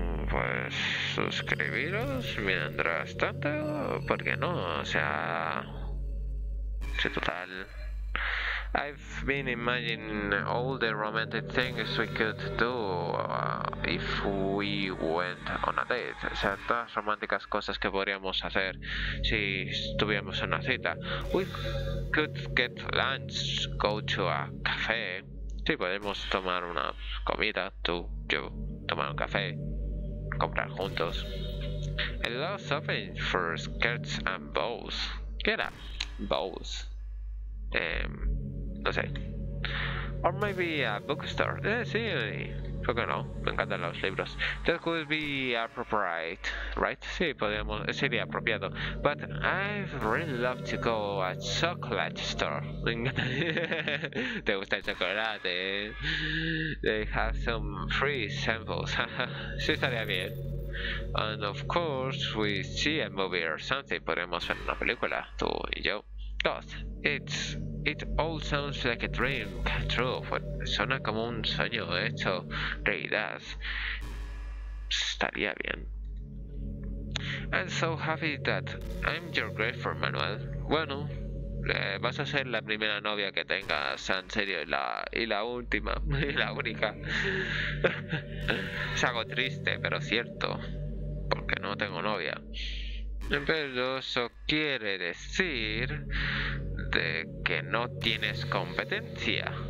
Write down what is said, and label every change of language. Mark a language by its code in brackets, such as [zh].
[es] Pues suscribiros mientras tanto, ¿por qué no? O sea, si total. [en] I've been imagining all the romantic things we could do if we went on a date. [es] O sea, todas las románticas cosas que podríamos hacer si estuviéramos en una cita. [en] We could get lunch, go to a café. [es] Sí, podemos tomar una comida, tú, yo, tomar un café, comprar juntos. [en] A lot of open for skirts and bows. [es] ¿Qué era? Bows. No sé. [en] Or maybe a bookstore. [es] Sí, ¿por qué no? Me encantan los libros. [en] That could be appropriate, right? [es] Sí, podríamos, sería apropiado. [en] But I'd really love to go a chocolate store. [es] Me encanta. ¿Te gusta el chocolate? [en] They have some free samples. [es] Sí, estaría bien. [en] And of course, we see a movie or something. [es] Podríamos ver una película, tú y yo. [en] It all sounds like a dream come true. [es] Suena como un sueño hecho realidad. Estaría bien. [en] I'm so happy that I'm your girlfriend, Manuel. [es] Bueno, vas a ser la primera novia que tengas, en serio, y la última, y la única. Es algo triste, pero cierto, porque no tengo novia. Pero eso quiere decir de que no tienes competencia.